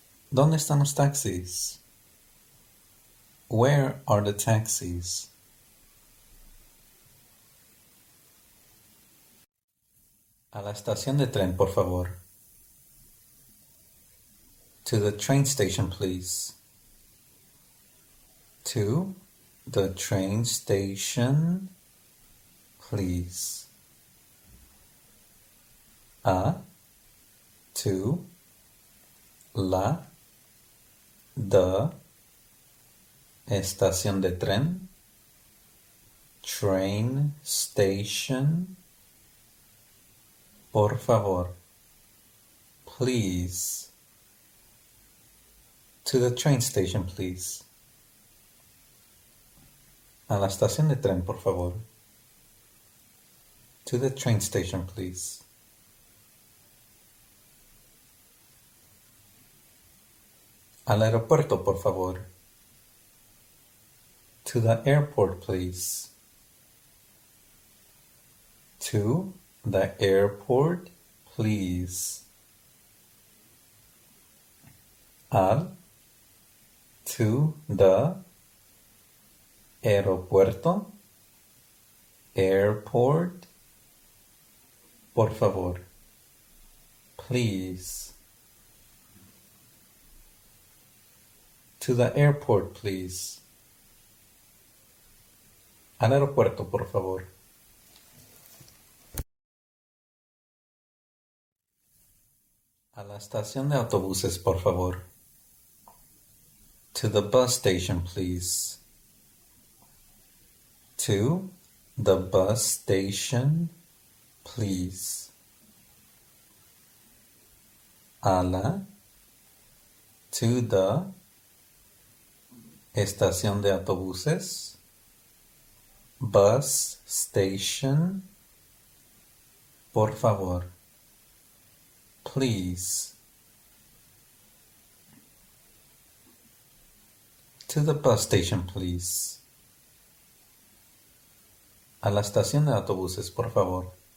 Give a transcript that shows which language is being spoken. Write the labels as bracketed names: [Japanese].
[Spanish] ¿Dónde están los taxis? [English] Where are the taxis? [Spanish] A la estación de tren, por favor. [English] To the train station, please. To the train station, please. [Spanish] A to la the estación de tren, [English] train station, [Spanish] por favor, [English] please. To the train station, please. [Spanish] A la estación de tren, por favor. [English] To the train station, please. [Spanish] Al aeropuerto, por favor. [English] To the airport, please. To the airport, please. [Spanish] Al to the aeropuerto, [English] airport, [Spanish] por favor, [English] please. To the airport, please. [Spanish] Al aeropuerto, por favor. A la estación de autobuses, por favor. [English] To the bus station, please. To the bus station, please. [Spanish] Ala to the estación de autobuses, [English] bus station, [Spanish] por favor, [English] please. To the bus station, please. [Spanish] A la estación de autobuses, por favor.